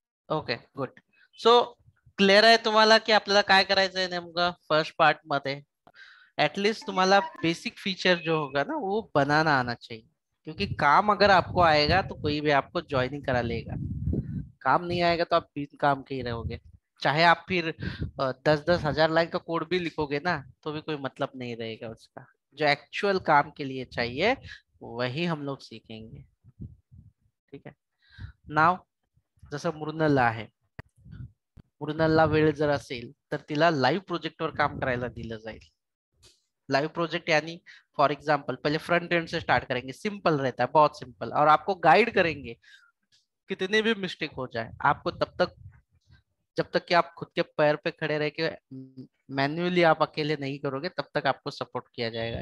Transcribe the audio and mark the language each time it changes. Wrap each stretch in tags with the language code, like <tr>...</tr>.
<en>okay good, so</en> <mr>clear आहे तुम्हाला की आपल्याला काय करायचंय नेमकं? फर्स्ट पार्ट मध्ये</mr> <hi>एटलीस्ट तुम्हारा बेसिक फीचर जो होगा ना वो बनाना आना चाहिए, क्योंकि काम अगर आपको आएगा तो कोई भी आपको ज्वाइनिंग करा लेगा, काम नहीं आएगा तो आप बिन काम के ही रहोगे। चाहे आप फिर 10-10 हज़ार लाइन का कोड भी लिखोगे ना तो भी कोई मतलब नहीं रहेगा उसका, जो एक्चुअल काम के लिए चाहिए वही हम लोग सीखेंगे। ठीक है,</hi> <mr>नाउ जसं मृणाला आहे, मृणाला वेळ जर असेल तर तिला लाईव्ह प्रोजेक्टवर काम करायला दिलं जाईल।</mr> <hi>लाइव प्रोजेक्ट यानी</hi> <en>for example</en> <hi>पहले फ्रंट एंड से स्टार्ट करेंगे, सिंपल रहता है, बहुत सिंपल, और आपको गाइड करेंगे कितने भी मिस्टेक हो जाए आपको, तब तक जब तक कि आप खुद के पैर पे खड़े रह के मैन्युअली आप अकेले नहीं करोगे तब तक आपको सपोर्ट किया जाएगा।</hi>